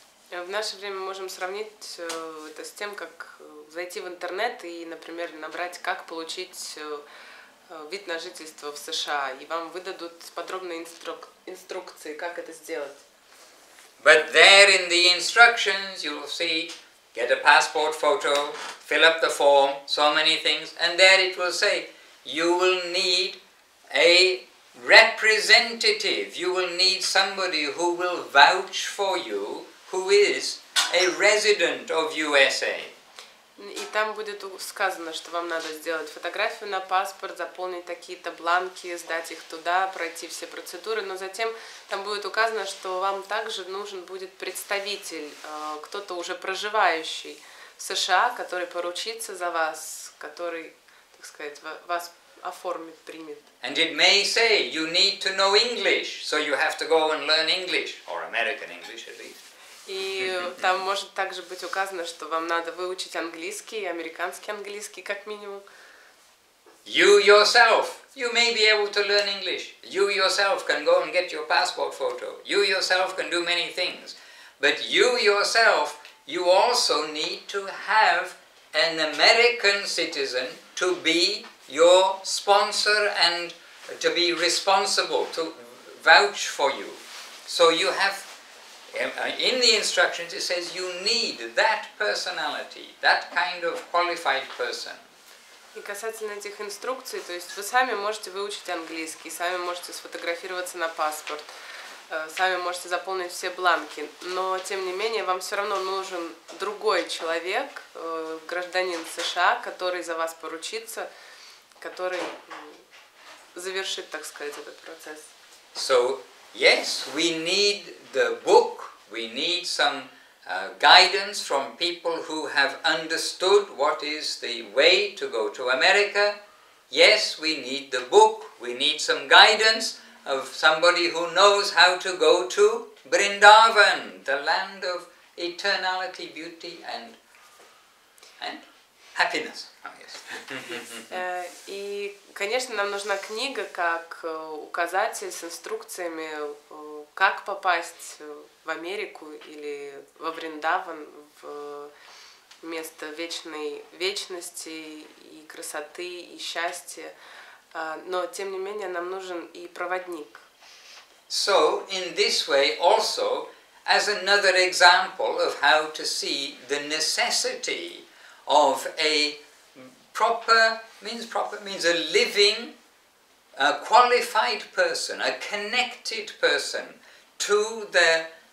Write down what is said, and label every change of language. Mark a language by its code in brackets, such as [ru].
[ru] В наше время мы можем сравнить это с тем, как зайти в интернет и, например, набрать, как получить вид на жительство в США, и вам выдадут подробные инструкции, как это сделать. [en] But there in the instructions you will see, get a passport photo, fill up the form, so many things, and there it will say, you will need a representative, you will need somebody who will vouch for you, who is a resident of USA. [ru] И там будет сказано, что вам надо сделать фотографию на паспорт, заполнить какие-то бланки, сдать их туда, пройти все процедуры. Но затем там будет указано, что вам также нужен будет представитель, кто-то уже проживающий в США, который поручится за вас, который, так сказать, вас оформит, примет. [en] And it may say you need to know English, so you have to go and learn English, or American English at least. [ru] И там может также быть указано, что вам надо выучить английский, американский английский, как минимум. [en] You yourself, you may be able to learn English. You yourself can go and get your passport photo. You yourself can do many things. But you yourself, you also need to have an American citizen to be your sponsor and to be responsible, to vouch for you. So you have... In the instructions it says you need that personality, that kind of qualified person. [ru] И касательно этих инструкций, то есть вы сами можете выучить английский, сами можете сфотографироваться на паспорт, сами можете заполнить все бланки, но тем не менее вам все равно нужен другой человек, гражданин США, который за вас поручится, который завершит, так сказать, этот процесс. [en] So, yes, we need the book. We need some guidance from people who have understood what is the way to go to America. Yes, we need the book. We need some guidance of somebody who knows how to go to Vrindavan, the land of eternality, beauty and happiness. Oh, yes. [ru] И, конечно, нам нужна книга как указатель с инструкциями, как попасть в Америку или во Вриндаван, в место вечной вечности и красоты, и счастья. Но, тем не менее, нам нужен и проводник. [en] So, in this way also, as another example of how to see the necessity of a proper means a living, a qualified person, a connected person to the...